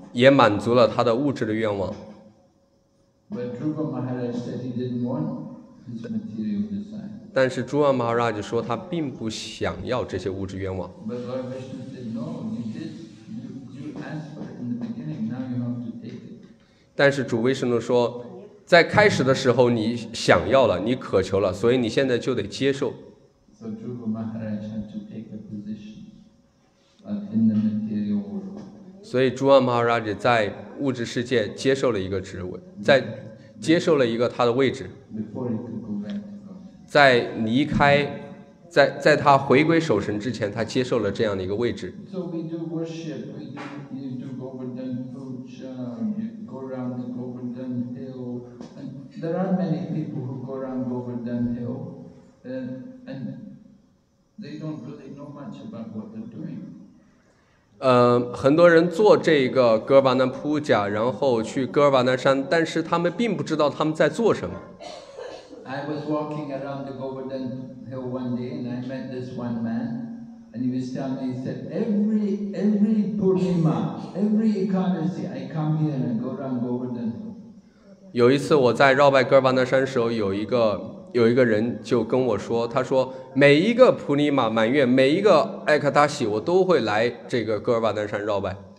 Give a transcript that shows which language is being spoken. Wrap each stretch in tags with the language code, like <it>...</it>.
<zh>也满足了他的物质的愿望。</zh> <en>But Dhruva Maharaj said he didn't want his material desire.</en> <zh>但是 Dhruva Maharaj 说他并不想要这些物质愿望。</zh> <en>But Lord Vishnu said, no, you did. You asked for it in the beginning. Now you have to take it.</en> <zh>但是主威士诺说在开始的时候你想要了，你渴求了，所以你现在就得接受。</zh> <en>So Dhruva Maharaj had to take a position in the material world.</en> <zh>所以 Dhruva Maharaj 在物质世界接受了一个职位，在接受了一个他的位置。</zh> <en>Before he could go back to God.</en> <zh>在离开，在他回归守神之前，他接受了这样的一个位置。</zh> <en>So we do worship. We do, you do Govardhan Puja. You go around the Govardhan Hill. And there are many people who go around Govardhan Hill. And they don't really know much about what they're doing.</en> <zh>很多人做这个戈巴南普贾，然后去戈巴南山，但是他们并不知道他们在做什么。</zh> <en>I was walking around the Govardhan Hill one day, and I met this one man, and he was telling me, he said, every Purnima, every Ekadasi, I come here and I go around Govardhan Hill.</en> <zh>有一次我在绕拜戈巴南山时候，有一个人就跟我说，他说每一个普尼玛满月，每一个艾克达喜，我都会来这个戈尔巴丹山绕拜。</zh>